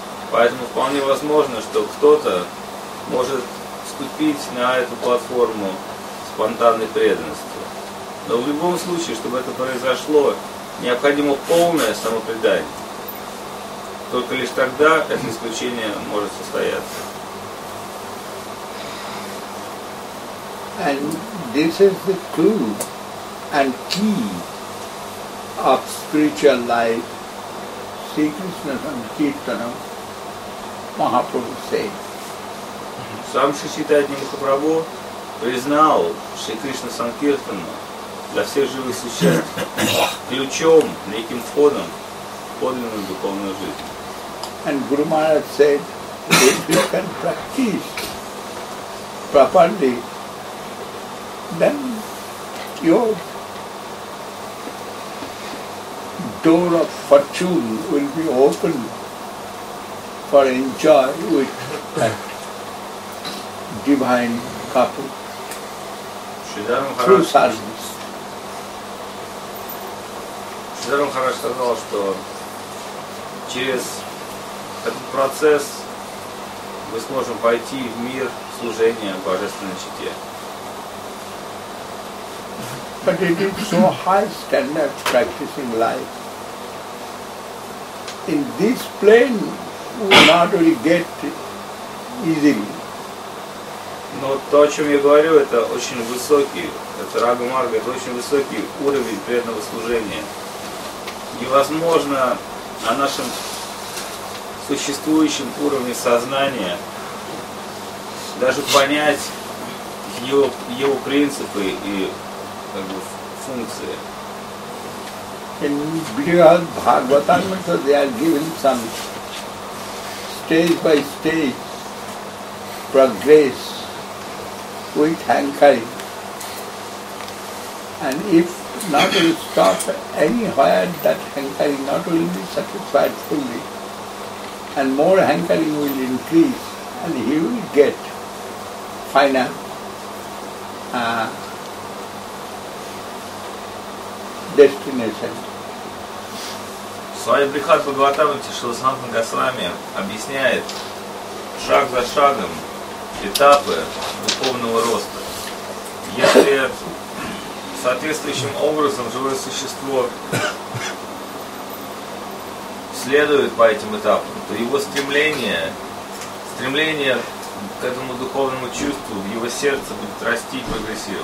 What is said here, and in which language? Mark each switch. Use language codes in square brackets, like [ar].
[ru] Поэтому вполне возможно, что кто-то может ступить на эту платформу спонтанной преданности. Но в любом случае, чтобы это произошло, необходимо полное самопредание. Только лишь тогда это исключение может состояться. [en] And this is the clue and key of spiritual life, Sri Krishna Sankirtana Mahaprabhu said. [ru] Сам Шри Чайтанья Махапрабху признал Шри Кришна Санкиртану для всех живых существ ключом, неким входом в подлинную духовную жизнь. [en] And Guru Maharaj said, if you can practice properly, then your door of fortune will be open for enjoy with that divine couple through service. [ru] Шридхар Махарадж сказал, что через этот процесс мы сможем войти в мир служения Божественной Чите. [en] But it is so high standard practicing life. In this plane, we not only get easily. [ru] Но то, о чем я говорю, это очень высокий, это Рага Марга, это очень высокий уровень преданного служения. Невозможно на нашем существующем уровне сознания даже понять его принципы и функции. [en] In Brihad Bhagavatam, so they are given some stage by stage progress with hankari. And if not will stop anywhere, that hankari not will be satisfied fully, and more hankari will increase, and he will get final destination. [ru] Свами Брихат Бхагаватама Тишила Санатана Госвами объясняет шаг за шагом этапы духовного роста. Если соответствующим образом живое существо следует по этим этапам, то его стремление к этому духовному чувству в его сердце будет расти и прогрессировать.